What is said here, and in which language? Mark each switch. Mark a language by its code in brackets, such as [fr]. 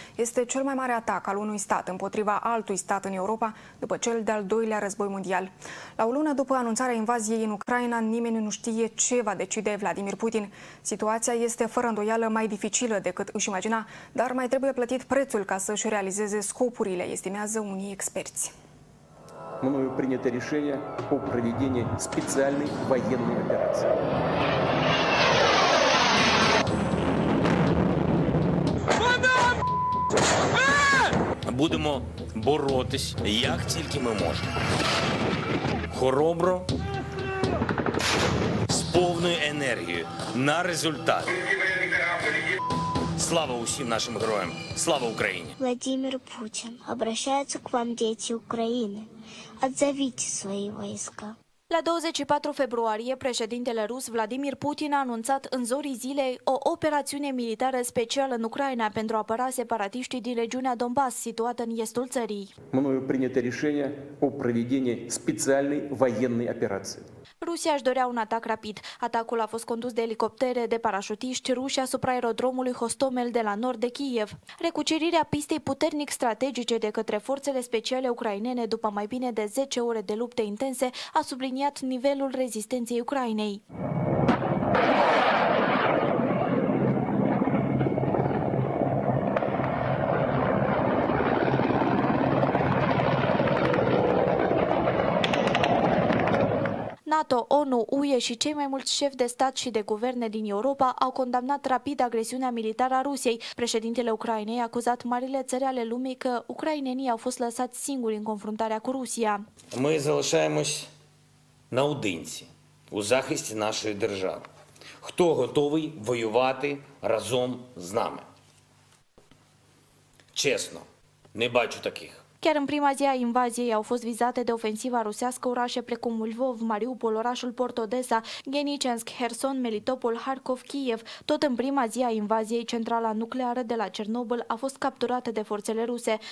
[ro] Este cel mai mare atac al unui stat împotriva altui stat în Europa, după cel de-al doilea război mondial. La o lună după anunțarea invaziei în Ucraina, nimeni nu știe ce va decide Vladimir Putin. Situația este fără îndoială mai dificilă decât își imagina, dar mai trebuie plătit prețul ca să-și realizeze scopurile, estimează unii experți. [ru] Мною принято решение о проведении специальной военной операции. [uk] Будемо боротись, як тільки ми можемо. Хоробро, з повною енергією, на результат. Слава усім нашим героям! Слава Україні! Владимир Путін, обращаються к вам діти України. Отзовіть свої війська. [ro] La 24 februarie, președintele rus Vladimir Putin a anunțat în zorii zilei o operațiune militară specială în Ucraina pentru a apăra separatiștii din regiunea Donbass, situată în estul țării. [uk] Мною прийнято рішення о проведенні спеціальної воєнної операції. [ro] Rusia își dorea un atac rapid. Atacul a fost condus de elicoptere de parașutiști ruși asupra aerodromului Hostomel de la nord de Kiev. Recucerirea pistei puternic strategice de către forțele speciale ucrainene după mai bine de 10 ore de lupte intense a subliniat nivelul rezistenței Ucrainei. NATO, ONU, UE și cei mai mulți șefi de stat și de guverne din Europa au condamnat rapid agresiunea militară a Rusiei. Președintele Ucrainei a acuzat marile țări ale lumii că ucrainenii au fost lăsați singuri în confruntarea cu Rusia. [uk] Ми залишаємось наодинці у захисті нашої держави. Хто готовий воювати разом з нами? Чесно, не бачу таких. [ro] Chiar în prima zi a invaziei au fost vizate de ofensiva rusească orașe precum Lvov, Mariupol, orașul Port Odessa, Genichensk, Herson, Melitopol, Harkov, Kiev. Tot în prima zi a invaziei, centrala nucleară de la Cernobâl a fost capturată de forțele ruse.